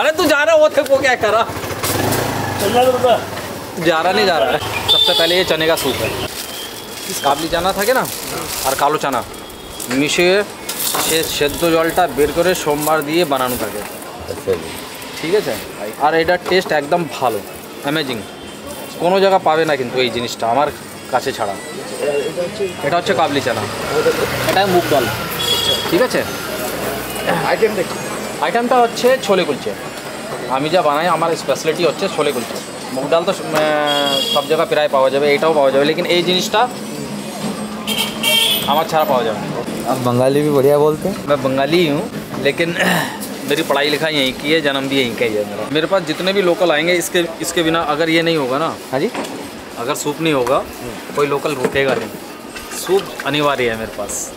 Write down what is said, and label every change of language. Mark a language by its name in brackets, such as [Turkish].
[Hindi] अरे तू जा रहा है, वो थको क्या कर रहा, चल रहा बता, जा रहा नहीं जा रहा। सबसे पहले ये चने का सूप है, काबली चना था क्या ना, और कालो चना मिशे [Bangla] সেদ্ধ জলটা বের করে সোমবার দিয়ে বানানো থাকে, ঠিক আছে। আর এটার টেস্ট একদম ভালো, অ্যামেজিং, কোনো জায়গা পাবে না কিন্তু এই জিনিসটা আমার কাছে ছাড়া। এটা হচ্ছে কাবলি চানা, এটা মুগ ডাল, ঠিক আছে। আইটেমটা হচ্ছে ছোলে কুলচে, আমি যা বানাই আমার স্পেশালিটি হচ্ছে ছোলে কুলচে। মুগ ডাল তো সব জায়গায় প্রায় পাওয়া যাবে, এটাও পাওয়া যাবে, লেকিন এই জিনিসটা আমার ছাড়া পাওয়া যাবে। [Hindi] आप बंगाली भी बढ़िया बोलते हैं। मैं बंगाली हूँ, लेकिन मेरी पढ़ाई लिखाई यहीं की है, जन्म भी यहीं का ही है मेरा। मेरे पास जितने भी लोकल आएंगे, इसके बिना अगर ये नहीं होगा ना, हाँ जी, अगर सूप नहीं होगा कोई लोकल रुकेगा नहीं, सूप अनिवार्य है मेरे पास।